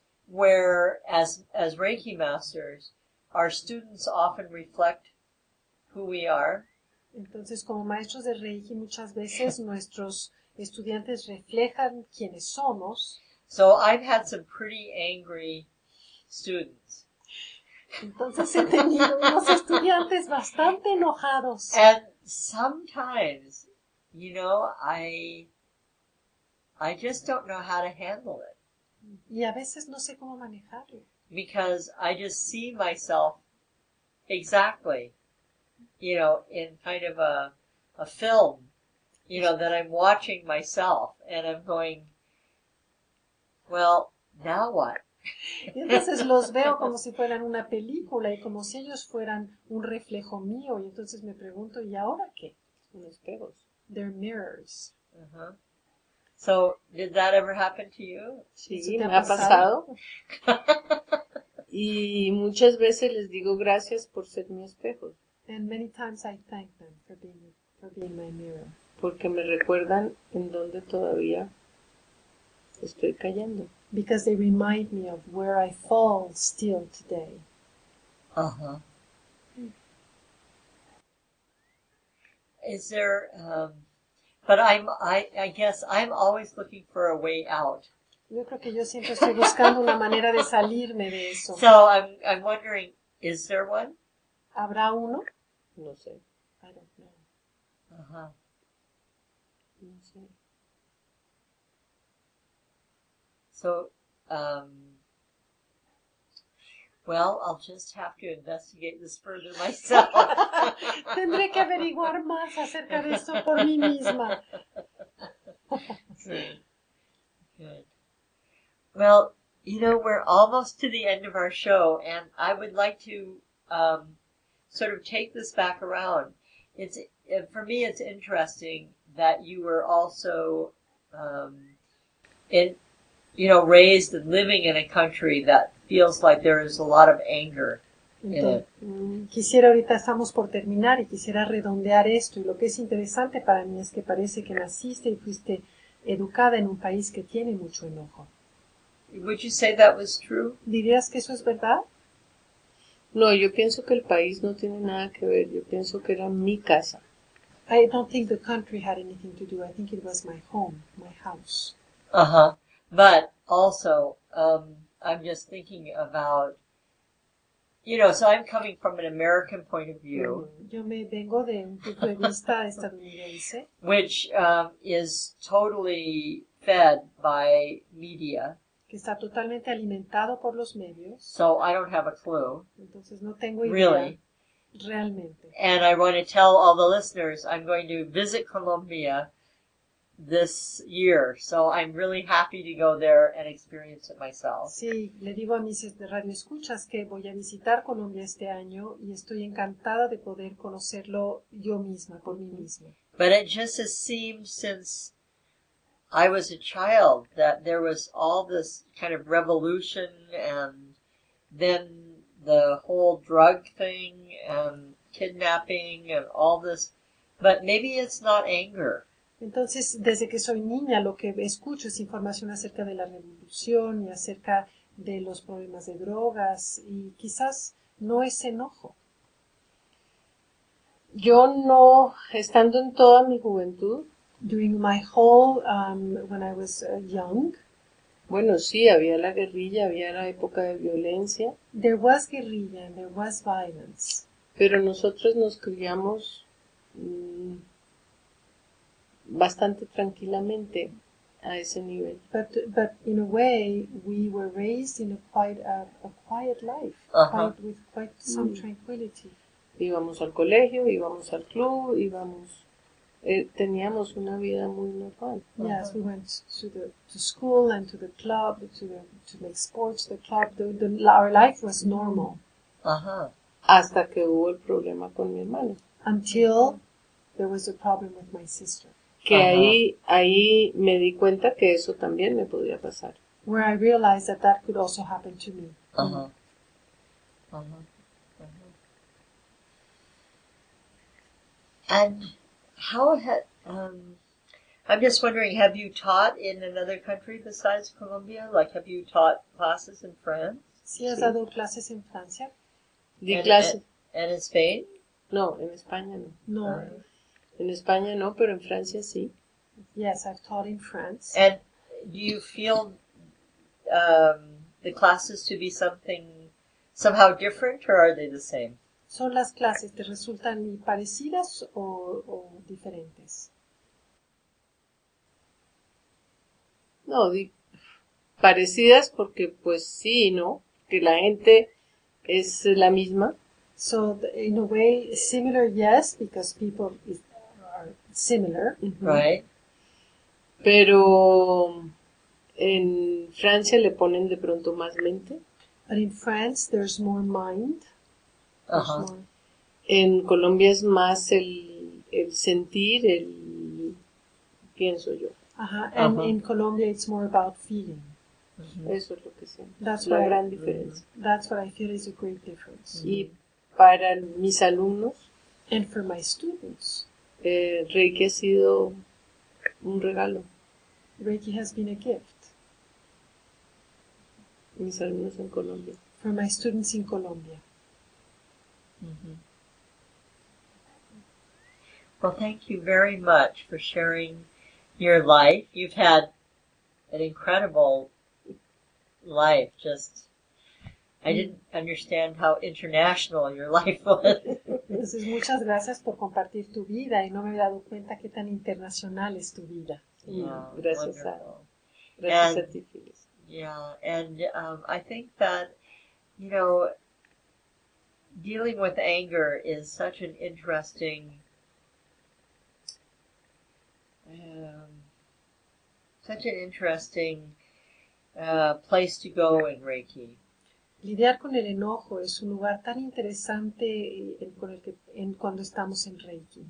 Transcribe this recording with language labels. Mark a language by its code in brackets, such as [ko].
[en] Where, as Reiki masters, our students often reflect who we are. [es] Entonces, como maestros de Reiki, muchas veces nuestros estudiantes reflejan quiénes somos. [en] So I've had some pretty angry students. [es] Entonces he tenido unos estudiantes bastante enojados. [en] And sometimes, you know, I just don't know how to handle it. [es] Y a veces no sé cómo manejarlo. [en] Because I just see myself exactly, you know, in kind of a film, you know, that I'm watching myself and I'm going, well, now what? [es] Y entonces los veo como si fueran una película y como si ellos fueran un reflejo mío. Y entonces me pregunto, ¿y ahora qué? Son espejos. [en] They're mirrors. So, did that ever happen to you? [es] Sí, me ha pasado. Y muchas veces les digo gracias por ser mi espejo. [en] And many times I thank them for being my mirror. [es] Porque me recuerdan en donde todavía estoy cayendo. [en] Because they remind me of where I fall still today. Is there, but I guess I'm always looking for a way out. [es] Yo creo que yo siempre estoy buscando una manera de salirme de eso. [en] So I'm wondering, is there one? [es] ¿Habrá uno? No sé. [en] I don't know. [es] No sé. [en] So, well, I'll just have to investigate this further myself. [es] Tendré que averiguar más acerca de esto por mí misma. [en] Good. Well, you know, we're almost to the end of our show, and I would like to sort of take this back around. It's, for me, it's interesting that you were also it, you know, raised and living in a country that feels like there is a lot of anger. [es] Entonces, quisiera ahorita estamos por terminar y quisiera redondear esto y lo que es interesante para mí es que parece que naciste y fuiste educada en un país que tiene mucho enojo. [en] Would you say that was true? [es] ¿Dirías que eso es verdad? No, yo pienso que el país no tiene nada que ver. Yo pienso que era mi casa. [en] I don't think the country had anything to do. I think it was my home, my house. But also, I'm just thinking about, you know, so I'm coming from an American point of view. [es] Yo me vengo de un punto de vista estadounidense. [en] Which is totally fed by media. [es] Que está totalmente alimentado por los medios. [en] So I don't have a clue. [es] Entonces no tengo idea. [en] Really. [es] Realmente. [en] And I want to tell all the listeners, I'm going to visit Colombia this year, so I'm really happy to go there and experience it myself. [es] Sí, le digo a mis radioescuchas que voy a visitar Colombia este año y estoy encantada de poder conocerlo yo misma, por mí misma. [en] But it just has seemed since I was a child that there was all this kind of revolution and then the whole drug thing and kidnapping and all this, but maybe it's not anger. [es] Entonces, desde que soy niña, lo que escucho es información acerca de la revolución y acerca de los problemas de drogas, y quizás no es enojo. Yo no, estando en toda mi juventud, [en] during my whole, when I was young, [es] bueno, sí, había la guerrilla, había la época de violencia. [en] There was guerrilla and there was violence. [es] Pero nosotros nos criamos bastante tranquilamente a ese nivel. [en] But in a way, we were raised in a quite a quiet life, quite, with quite some tranquility. [es] Íbamos al colegio, íbamos al club, íbamos... teníamos una vida muy normal. [en] Yes, we went to school and to the club, to make sports, the club, our life was normal. [es] Hasta que hubo el problema con mi hermano. [en] Until there was a problem with my sister. [es] Que ahí me di cuenta que eso también me podía pasar. [en] Where I realized that that could also happen to me. And how had, I'm just wondering, have you taught in another country besides Colombia? Like, have you taught classes in France? [es] Sí, has dado clases en Francia. Di clases. [en] And in Spain? [es] No, en España no. No. En España no, pero en Francia sí. [en] Yes, I've taught in France. And do you feel the classes to be something, somehow different, or are they the same? [es] ¿Son las clases te resultan parecidas o diferentes? No, parecidas porque pues sí, ¿no? Que la gente es la misma. [en] So, in a way, similar, yes, because people are similar. Right. [es] Pero en Francia le ponen de pronto más mente. [en] But in France, there's more mind. [es] En Colombia es más el sentir, el pienso yo. [en] And in Colombia it's more about feeling. [es] Eso es lo que siento. [en] That's [es] la gran diferencia. [en] That's what I feel is a great difference. [es] Y para mis alumnos. [en] And for my students. [es] Reiki ha sido un regalo. [en] Reiki has been a gift. [es] Mis alumnos en Colombia. [en] For my students in Colombia. Well, thank you very much for sharing your life. You've had an incredible life. Just, I didn't understand how international your life was. [es] Entonces, muchas gracias por compartir tu vida y no me he dado cuenta qué tan internacional es tu vida. Yeah, gracias, gracias a ti, Phyllis. [en] Yeah, and I think that, you know, dealing with anger is such an interesting, place to go in Reiki. [es] Lidiar con el enojo es un lugar tan interesante con el que, en cuando estamos en Reiki.